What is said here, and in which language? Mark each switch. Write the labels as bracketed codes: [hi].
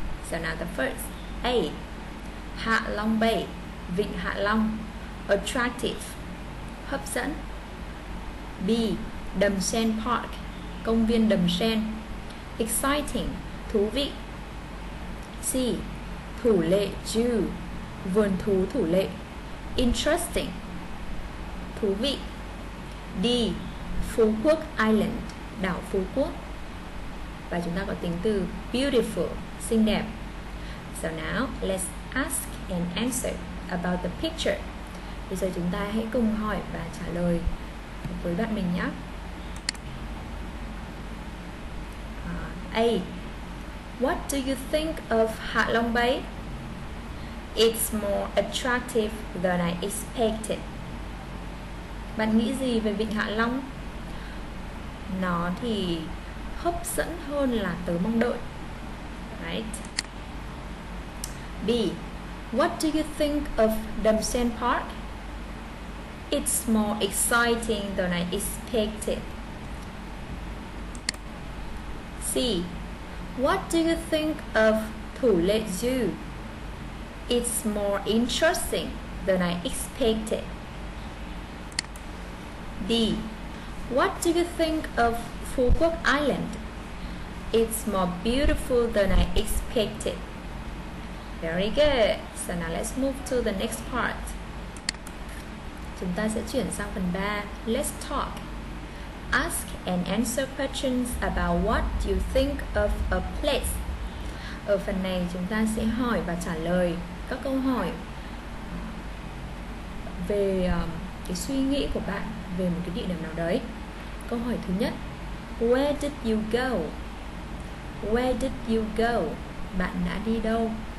[en] So now the first. A. Hạ Long Bay. Vịnh Hạ Long. Attractive. Hấp dẫn. B. Đầm Sen Park. Công viên Đầm Sen. Exciting. Thú vị. C. [vi] Thủ Lệ Zoo. Vườn thú Thủ Lệ. Interesting. Thú vị. D. Phú Quốc Island. Đảo Phú Quốc. Và chúng ta có tính từ beautiful, xinh đẹp. [en] So now, let's ask and answer about the picture. [vi] Bây giờ chúng ta hãy cùng hỏi và trả lời với bạn mình nhé. [en] A. What do you think of Hạ Long Bay? It's more attractive than I expected. [vi] Bạn nghĩ gì về Vịnh Hạ Long? Nó thì hấp dẫn hơn là tớ mong đợi. [en] Right. B. What do you think of Đầm Sen Park? It's more exciting than I expected. C. What do you think of Thủ Lệ Zoo? It's more interesting than I expected. D. What do you think of Phú Quốc Island? It's more beautiful than I expected. Very good. So now let's move to the next part. [vi] Chúng ta sẽ chuyển sang phần 3. [en] Let's talk. Ask and answer questions about what you think of a place. [vi] Ở phần này chúng ta sẽ hỏi và trả lời các câu hỏi về cái suy nghĩ của bạn về một cái địa điểm nào đấy. Câu hỏi thứ nhất. [en] Where did you go? Where did you go? [vi] Bạn đã đi đâu?